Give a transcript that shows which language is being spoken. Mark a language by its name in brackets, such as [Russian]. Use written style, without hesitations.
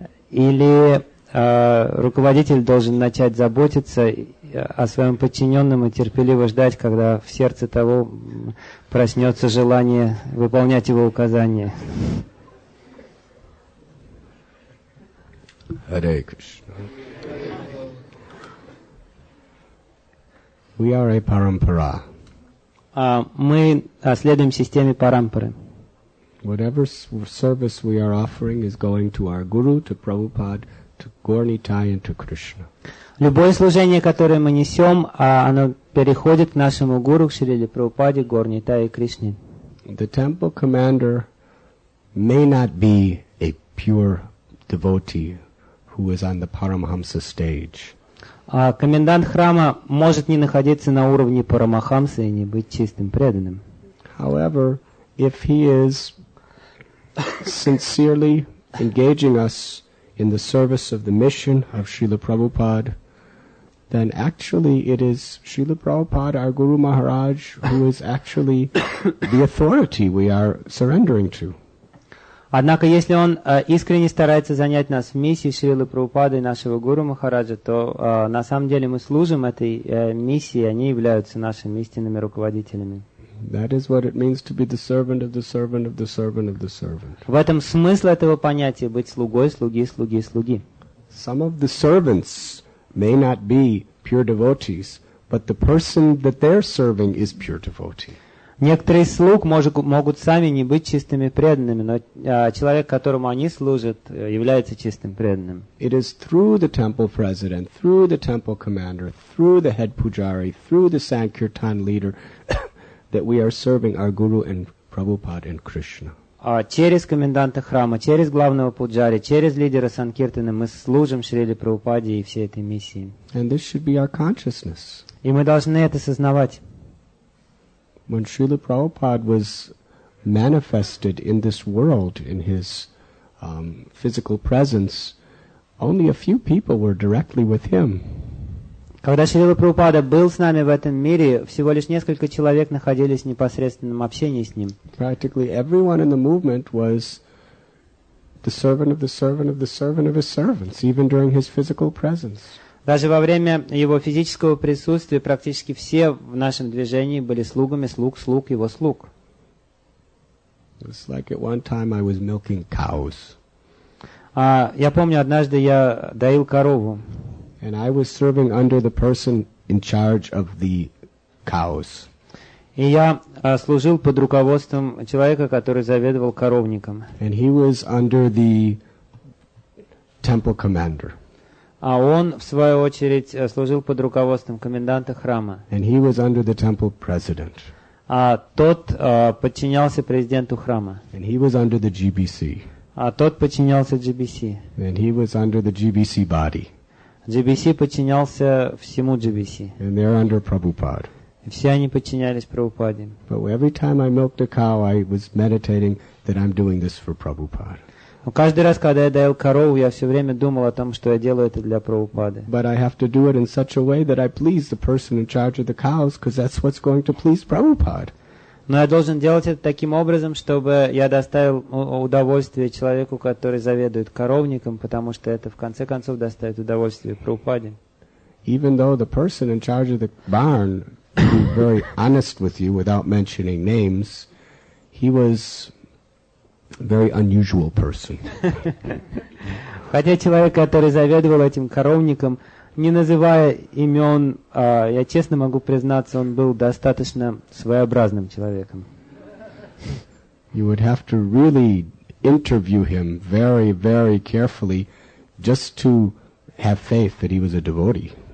[Russian] Или руководитель должен начать заботиться о своем подчиненном и терпеливо ждать, когда в сердце того проснется желание выполнять его указания. Харе Кришна. [English] We are a parampara. [Russian] Мы следуем системе парампары. [English] Whatever service we are offering is going to our guru, to Prabhupada, to Gornitai, and to Krishna. [Russian] Любое служение, которое мы несем, оно переходит к нашему гуру, к Шриле Прабхупаде, Горнитай и Кришне. [English] The temple commander may not be a pure devotee who is on the Paramahamsa stage. [Russian] Комендант храма может не находиться на уровне Парамахамсы и не быть чистым преданным. [English] However, if he is sincerely engaging us in the service of the mission of Srila Prabhupada, then actually it is Srila Prabhupada, our Guru Maharaj, who is actually the authority we are surrendering to. [Russian] Однако, если он искренне старается занять нас в миссии Шрилы Прабхупады и нашего Гуру Махараджа, то на самом деле мы служим этой миссии, и они являются нашими истинными руководителями. [English] That is what it means to be the servant of the servant of the servant of the servant. [Russian] В этом смысл этого понятия быть слугой, слуги, слуги, слуги. [English] Some of the servants may not be pure devotees, but the person that they're serving is pure devotee. [Russian] Некоторые слуг могут сами не быть чистыми преданными, но человек, которому они служат, является чистым преданным. [English] It is through the temple president, through the temple commander, through the head pujari, through the sankirtan leader that we are serving our guru and Prabhupada and Krishna. [Russian] Через коменданта храма, через главного пуджари, через лидера санкиртаны мы служим Шриле Прабхупаде и всей этой миссии. [English] And this should be our consciousness. [Russian] И мы должны это сознавать. [English] When Srila Prabhupada was manifested in this world, in his physical presence, only a few people were directly with him. [Russian] Когда Шрила Прабхупада был с нами в этом мире, всего лишь несколько человек находились в непосредственном общении с ним. [English] Practically everyone in the movement was the servant of the servant of the servant of his servants, even during his physical presence. [Russian] Даже во время его физического присутствия практически все в нашем движении были слугами слуг, слуг его слуг. [English] It's like at one time I was milking cows. [Russian] Я помню, однажды я доил корову. [English] And I was serving under the person in charge of the cows. [Russian] И я служил под руководством человека, который заведовал коровником. [English] And he was under the temple commander. [Russian] А он, в свою очередь, служил под руководством коменданта храма. [English] And he was under the temple president. [Russian] А тот подчинялся президенту храма. [English] And he was under the GBC. [Russian] А тот подчинялся GBC. [English] And he was under the GBC body. [Russian] GBC подчинялся всему GBC. [English] And they're under Prabhupada. [Russian] И все они подчинялись Прабхупаде. [English] But every time I milked a cow, I was meditating that I'm doing this for Prabhupada. [Russian] Но каждый раз, когда я доил корову, я все время думал о том, что я делаю это для Прабхупады. [English] But I have to do it in such a way that I please the person in charge of the cows, because that's what's going to please Prabhupada. [Russian] Но я должен делать это таким образом, чтобы я доставил удовольствие человеку, который заведует коровником, потому что это в конце концов доставит удовольствие Прабхупаде. [English] Even though the person in charge of the barn could be very honest with you without mentioning names, he was very unusual person. [Russian] Хотя человек, который заведовал этим коровником, не называя имен, я честно могу признаться, он был достаточно своеобразным человеком. [English] You would have to really interview him very, very carefully just to have faith that he was a devotee.